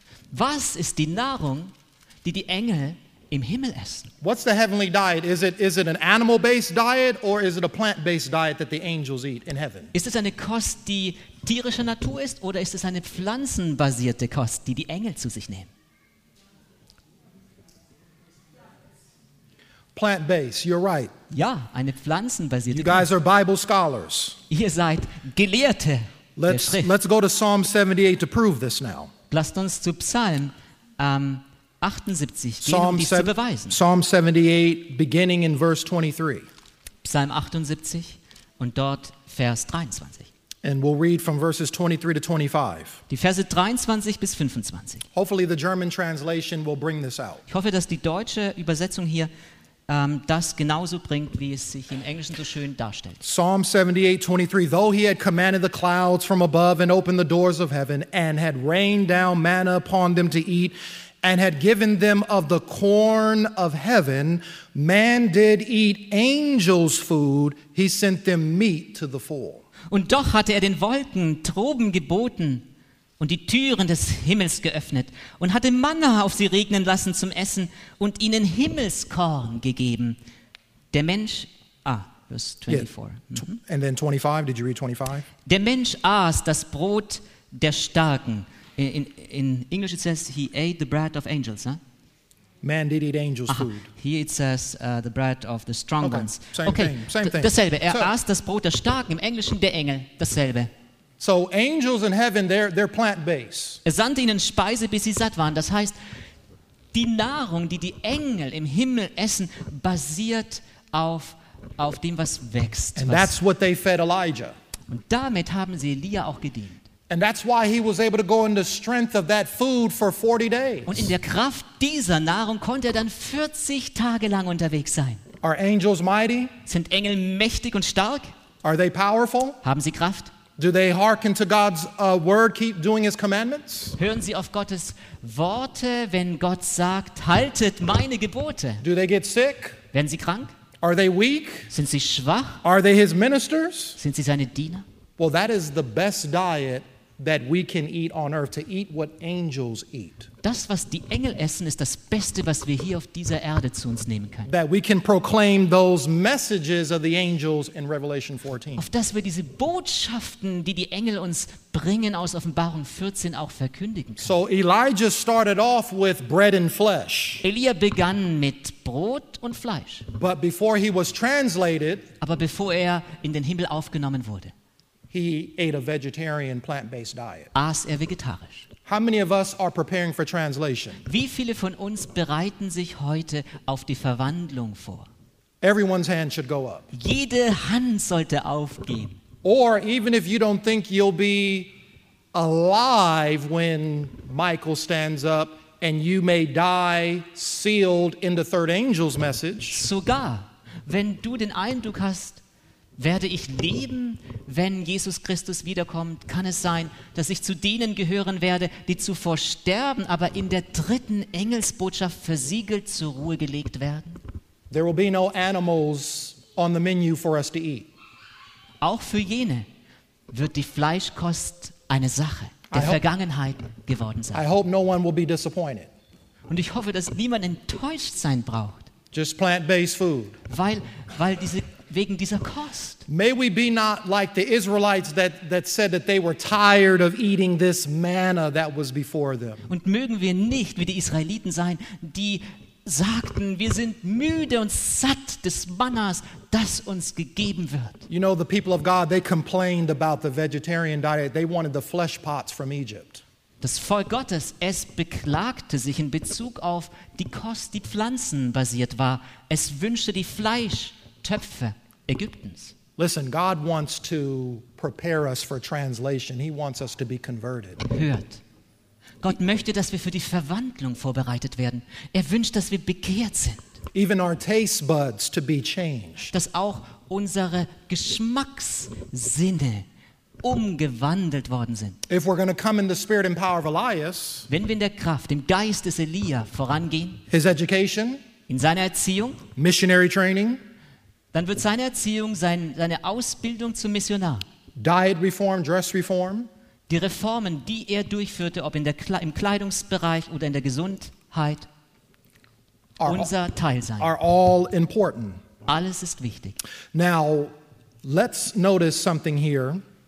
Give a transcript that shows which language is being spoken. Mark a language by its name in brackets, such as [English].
[German] Was ist die Nahrung, die die Engel im Himmel essen? [English] What's the heavenly diet? Is it an animal-based diet or is it a plant-based diet that the angels eat in heaven? [German] Ist es eine Kost, die tierischer Natur ist, oder ist es eine pflanzenbasierte Kost, die die Engel zu sich nehmen? [English] Plant-based, you're right. [German] Ja, eine pflanzenbasierte Kost. [English] You guys are Bible scholars. [German] Ihr seid Gelehrte. [English] Let's go to Psalm 78 to prove this now. [German] Lasst uns zu Psalm 78 gehen, um dies zu beweisen. [English] Psalm 78, beginning in verse 23. [German] Psalm 78 und dort Vers 23. [English] And we'll read from verses 23 to 25. [German] Die Verse 23 bis 25. [English] Hopefully the German translation will bring this out. [German] Ich hoffe, dass die deutsche Übersetzung hier das genauso bringt, wie es sich im Englischen so schön darstellt. [English] Psalm 78, 23. Though he had commanded the clouds from above and opened the doors of heaven and had rained down manna upon them to eat and had given them of the corn of heaven, man did eat angels' food. He sent them meat to the full. [German] Und doch hatte er den Wolken Troben geboten und die Türen des Himmels geöffnet und hatte Manna auf sie regnen lassen zum Essen und ihnen Himmelskorn gegeben. Der Mensch, Vers 24. [English] Yeah. And then 25, did you read 25? [German] Der Mensch aß das Brot der Starken. [English] In English it says, he ate the bread of angels, huh? Man did eat angels' food. Here it says the bread of the strong ones. Same thing. [German] Dasselbe. Er aß das Brot der Starken. Im Englischen der Engel. Dasselbe. [English] So angels in heaven, they're plant-based. [German] Er sandte ihnen Speise, bis sie satt waren. Das heißt, die Nahrung, die die Engel im Himmel essen, basiert auf dem, was wächst. [English] And that's what they fed Elijah. [German] Und damit haben sie Elia auch gedient. [English] And that's why he was able to go in the strength of that food for 40 days. [German] Und in der Kraft dieser Nahrung konnte er dann 40 Tage lang unterwegs sein. [English] Are angels mighty? [German] Sind Engel mächtig und stark? [English] Are they powerful? [German] Haben sie Kraft? [English] Do they hearken to God's word, keep doing his commandments? [German] Hören sie auf Gottes Worte, wenn Gott sagt, haltet meine Gebote? [English] Do they get sick? [German] Werden sie krank? [English] Are they weak? [German] Sind sie schwach? [English] Are they his ministers? [German] Sind sie seine Diener? [English] Well, that is the best diet that we can eat on earth, to eat what angels eat. [German] Das, was die Engel essen, ist das Beste, was wir hier auf dieser Erde zu uns nehmen können. [English] That we can proclaim those messages of the angels in Revelation 14. [German] Auf dass wir diese Botschaften, die die Engel uns bringen aus Offenbarung 14, auch verkündigen können. [English] So Elijah started off with bread and flesh. [German] Elia begann mit Brot und Fleisch. [English] But before he was translated, [German] aber bevor er in den Himmel aufgenommen wurde, [English] he ate a vegetarian, plant-based diet. [German] Aß er vegetarisch. [English] How many of us are preparing for translation? [German] Wie viele von uns bereiten sich heute auf die Verwandlung vor? [English] Everyone's hand should go up. [German] Jede Hand sollte aufgehen. [English] Or even if you don't think you'll be alive when Michael stands up and you may die sealed in the third angel's message. [German] Sogar, wenn du den Eindruck hast, werde ich leben, wenn Jesus Christus wiederkommt, kann es sein, dass ich zu denen gehören werde, die zuvor sterben, aber in der dritten Engelsbotschaft versiegelt zur Ruhe gelegt werden? [English] There will be no animals on the menu for us to eat. [German] Auch für jene wird die Fleischkost eine Sache der Vergangenheit geworden sein. [English] I hope no one will be disappointed. [German] Und ich hoffe, dass niemand enttäuscht sein braucht. [English] Just plant-based food. [German] Weil diese wegen dieser Kost. [English] May we be not like the Israelites that said that they were tired of eating this manna that was before them. [German] Und mögen wir nicht wie die Israeliten sein, die sagten, wir sind müde und satt des Mannas, das uns gegeben wird. [English] You know, the people of God, they complained about the vegetarian diet. They wanted the flesh pots from Egypt. [German] Das Volk Gottes, es beklagte sich in Bezug auf die Kost, die pflanzenbasiert war. Es wünschte die Fleischtöpfe Ägyptens. [English] Listen, God wants to prepare us for translation. He wants us to be converted. [German] Hört. Gott möchte, dass wir für die Verwandlung vorbereitet werden. Er wünscht, dass wir bekehrt sind. [English] Even our taste buds to be changed. [German] Dass auch unsere Geschmackssinne umgewandelt worden sind. [English] If we're going to come in the spirit and power of Elias, [German] wenn wir in der Kraft, im Geist des Elia vorangehen, [English] his education, [German] in seiner Erziehung, [English] missionary training, [German] dann wird seine Erziehung, seine Ausbildung zum Missionar, [English] diet reform, dress reform, [German] die Reformen, die er durchführte, ob im Kleidungsbereich oder in der Gesundheit, unser Teil sein. [English] Are all important. [German] Alles ist wichtig. [English] Now, let's notice something here.